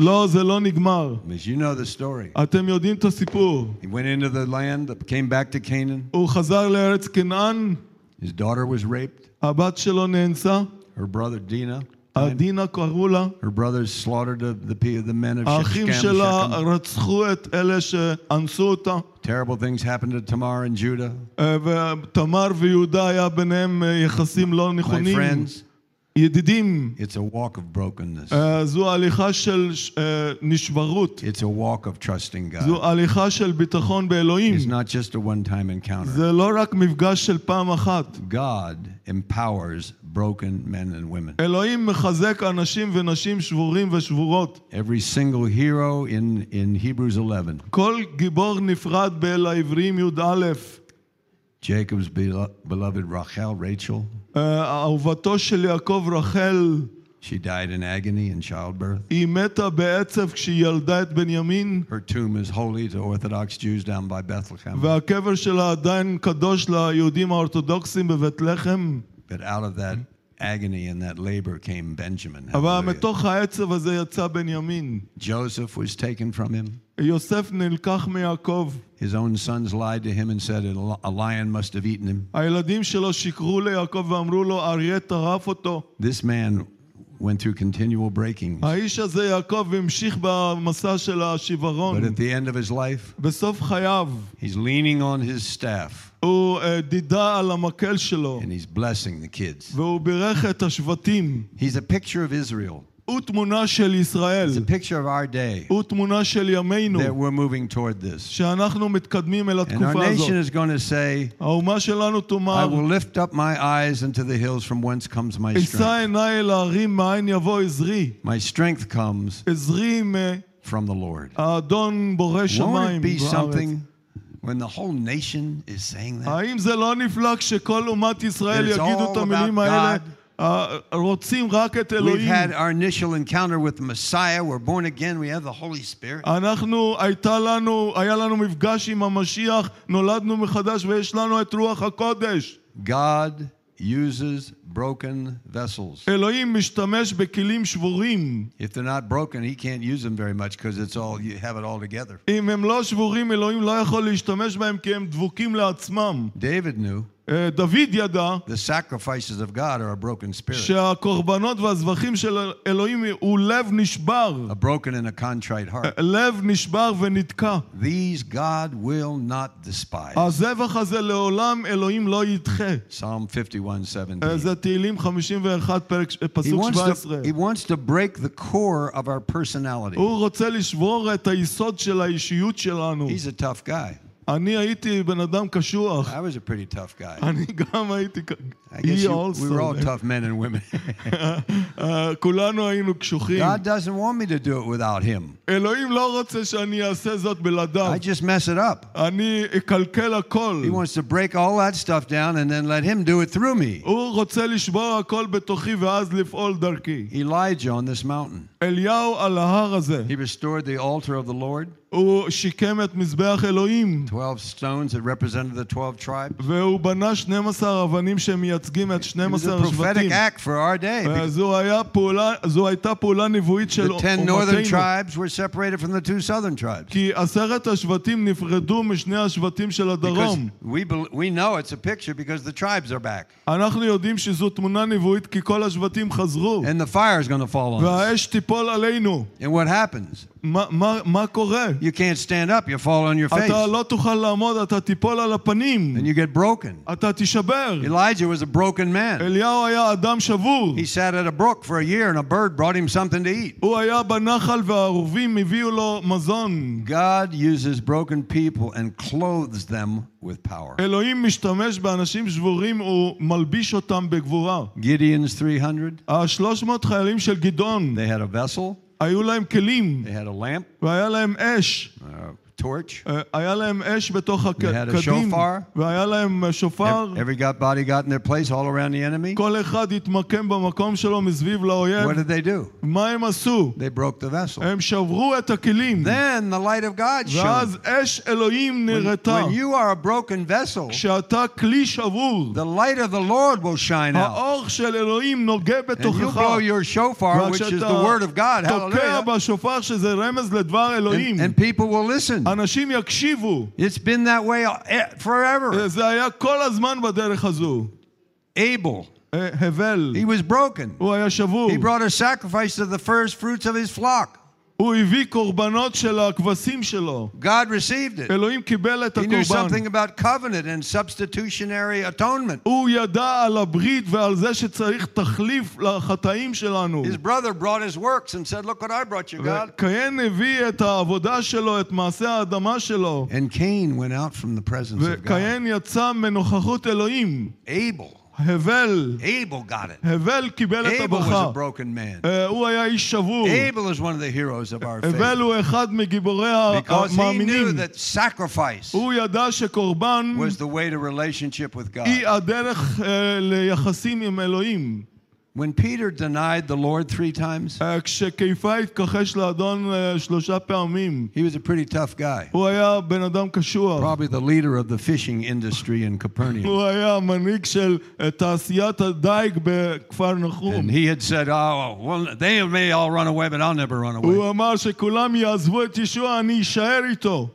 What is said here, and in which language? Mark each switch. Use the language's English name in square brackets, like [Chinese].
[English] As you know the story. He went into the land, came back to Canaan. His daughter was raped. [Hebrew] הבת שלו נאנסה. [English] Her brother Dina. [Hebrew] הדינה קראו לה. [English] Her brother slaughtered the men of Shechem. [Hebrew] האחים שלה רצחו את אלה שאנסו אותה. [English] Terrible things happened to Tamar and Judah. [Hebrew] ותמר ויהודה היה ביניהם יחסים לא נכונים. [English] My friends. [Hebrew] ידידים. [English] It's a walk of brokenness. [Hebrew] זו הליכה של נשברות. [English] It's a walk of trusting God. [Hebrew] זו הליכה של ביטחון באלוהים. [English] It's not just a one-time encounter. [Hebrew] זה לא רק מפגש של פעם אחת. [English] God empowers broken men and women. [Hebrew] אלוהים מחזק אנשים ונשים שבורים ושבורות. [English] Every single hero in Hebrews 11. [Hebrew] כל גיבור נפרד באל העבריים י' א'. [English] Jacob's beloved Rachel, Rachel. [Hebrew] אהובתו של יעקב רחל. [English] She died in agony in childbirth. [Hebrew] היא מתה בעצב כשהיא ילדה את בנימין. [English] Her tomb is holy to Orthodox Jews down by Bethlehem. [Hebrew] והקבר שלה עדיין קדוש ליהודים האורתודוקסים בבית לחם. [English] But out of that agony and that labor came Benjamin. [Hebrew] אבל מתוך העצב הזה יצא בנימין. [English] Joseph was taken from him. [Hebrew] יוסף נלקח מיעקב. [English] His own sons lied to him and said a lion must have eaten him. [Hebrew] הילדים שלו שיקרו ליעקב ואמרו לו אריה טרף אותו. [English] This man went through continual breakings. [Hebrew] האיש הזה יעקב המשיך במסע של השברון. [English] But at the end of his life, [Hebrew] בסוף חייו, [English] he's leaning on his staff. [Hebrew] הוא דידה על המקל שלו. [English] And he's blessing the kids. [Hebrew] והוא בירך את השבטים. [English] He's a picture of Israel. [Hebrew] ותמונה של ישראל. [English] It's a picture of our day. [Hebrew] ותמונה של ימינו. [English] That we're moving toward this. [Hebrew] שאנחנו מתקדמים אל התקופה הזאת. [English] And our nation is going to say, [Hebrew] האומה שלנו תאמר, [English] I will lift up my eyes into the hills from whence comes my strength. [Hebrew] אשא עיני אל ההרים מאין יבוא עזרי. [English] My strength comes from the Lord. [Hebrew] אדון בורא שמיים וארץ. [English] Won't it be something when the whole nation is saying that? [Hebrew] האם זה לא נפלא כשכל אומת ישראל יגידו את המילים האלה? רוצים רק את אלוהים. [English] We've had our initial encounter with the Messiah. We're born again. We have the Holy Spirit. [Hebrew] אנחנו, היה לנו מפגש עם המשיח, נולדנו מחדש ויש לנו את רוח הקודש. [English] God uses broken vessels. [Hebrew] אלוהים משתמש בכלים שבורים. [English] If they're not broken, he can't use them very much because it's all you have it all together. [Hebrew] אם הם לא שבורים, אלוהים לא יכול להשתמש בהם כי הם דבוקים לעצמם. [English] David knew. [Hebrew] דוד ידע. [English] The sacrifices of God are a broken spirit. [Hebrew] שהקורבנות והזבחים של אלוהים הוא לב נשבר. [English] A broken and a contrite heart. [Hebrew] לב נשבר ונתקע. [English] These God will not despise. [Hebrew] הזבח הזה לעולם אלוהים לא ידחה. [English] Psalm 51:17. [Hebrew] זה תהילים 51 פרק פסוק 17. [English] He wants to break the core of our personality. [Hebrew] הוא רוצה לשבור את היסוד של האישיות שלנו. [English] He's a tough guy. [Hebrew] אני הייתי בן אדם קשוח. [English] I was a pretty tough guy. [Hebrew] אני גם הייתי [English] We were all tough men and women. [Hebrew] כולנו היינו קשוחים. [English] God doesn't want me to do it without him. [Hebrew] אלוהים לא רוצה שאני אעשה זאת בלעדיו. [English] I just mess it up. [Hebrew] אני אקלקל הכל. [English] He wants to break all that stuff down and then let him do it through me. [Hebrew] הוא רוצה לשבור הכל בתוכי ואז לפעול דרכי. [English] Elijah on this mountain. [Hebrew] אליהו על ההר הזה. [English] He restored the altar of the Lord. [Hebrew] הוא שיקם את מזבח אלוהים. [English] 12 stones that represented the 12 tribes. [Hebrew] והוא בנה 12 אבנים שמייצגים את 12 השבטים. [English] It was a prophetic act for our day. [Hebrew] זו הייתה פעולה נבואית של אומתנו. [English] The 10 northern tribes were separated from the 2 southern tribes. [Hebrew] כי 10 השבטים נפרדו משני השבטים של הדרום. [English] Because we know it's a picture because the tribes are back. [Hebrew] אנחנו יודעים שזו תמונה נבואית כי כל השבטים חזרו. [English] And the fire is going to fall on us. [Hebrew] והאש תיפול עלינו. [English] And what happens? [Hebrew] מה קורה? [English] You can't stand up, you fall on your face. [Hebrew] אתה לא תוכל לעמוד, אתה תיפול על הפנים. [English] And you get broken. [Hebrew] אתה תישבר. [English] Elijah was a broken man. [Hebrew] אליהו היה אדם שבור. [English] He sat at a brook for a year and a bird brought him something to eat. [Hebrew] הוא היה בנחל והערובים הביאו לו מזון. [English] God uses broken people and clothes them with power. [Hebrew] אלוהים משתמש באנשים שבורים ומלביש אותם בגבורה. [English] Gideon's 300. [Hebrew] 300 חיילים של גדעון. [English] They had a vessel. [Hebrew] היו להם כלים. [English] They had a lamp. [Hebrew] והיה להם אש. [English] Torch. [Hebrew] היה להם אש בתוך הקדים. והיה להם שופר. [English] Every body got in their place all around the enemy. [Hebrew] כל אחד התמקם במקום שלו מסביב לאויב. [English] What did they do? [Hebrew] מה הם עשו? [English] They broke the vessel. [Hebrew] הם שברו את הכלים. [English] Then the light of God shone. [Hebrew] ואז אש אלוהים נראתה. [English] When you are a broken vessel, [Hebrew] כשאתה כלי שבור, [English] the light of the Lord will shine out. [Hebrew] האור של אלוהים נוגע בתוכך. [English] And you blow your shofar, which is the word of God. [Hebrew] תוקע בשופר שזה רמז לדבר אלוהים. [English] And people will listen. [Hebrew] אנשים יקשיבו. [English] It's been that way forever. [Hebrew] זה היה כל הזמן בדרך הזו. [English] Abel. [Hebrew] הבל. [English] He was broken. [Hebrew] הוא היה שבור. [English] He brought a sacrifice of the first fruits of his flock. [Hebrew] הוא הביא קורבנות של הכבשים שלו. [English] God received it. [Hebrew] אלוהים קיבל את הקורבן. [English] He knew something about covenant and substitutionary atonement. [Hebrew] הוא ידע על הברית ועל זה שצריך תחליף לחטאים שלנו. [English] His brother brought his works and said, "Look what I brought you, God." [Hebrew] וקיין הביא את העבודה שלו, את מעשה האדמה שלו. [English] And Cain went out from the presence of God. [Hebrew] וקיין יצא מנוכחות אלוהים. [English] Abel. [Hebrew] הבל. [English] Abel got it. [Hebrew] הבל קיבל את הברכה. [English] Abel was a broken man. [Hebrew] הוא היה איש שבור. [English] Abel is one of the heroes of our faith. [Hebrew] הבל הוא אחד מגיבורי המאמינים. [English] Because he knew that sacrifice. [Hebrew] הוא ידע שקורבן [English] was the way to relationship with God. [Hebrew] היא הדרך ליחסים עם אלוהים. [English] When Peter denied the Lord 3 times, [Hebrew] כשקיפה התכחש לאדון 3 פעמים, [English] he was a pretty tough guy. [Hebrew] הוא היה בן אדם קשוח. [English] Probably the leader of the fishing industry in Capernaum. [Hebrew] הוא היה מנהיג של תעשיית הדייג בכפר נחום. [English] And he had said, "Oh, well, they may all run away, but I'll never run away." [Hebrew] הוא אמר שכולם יעזבו את ישוע, אני אשאר איתו.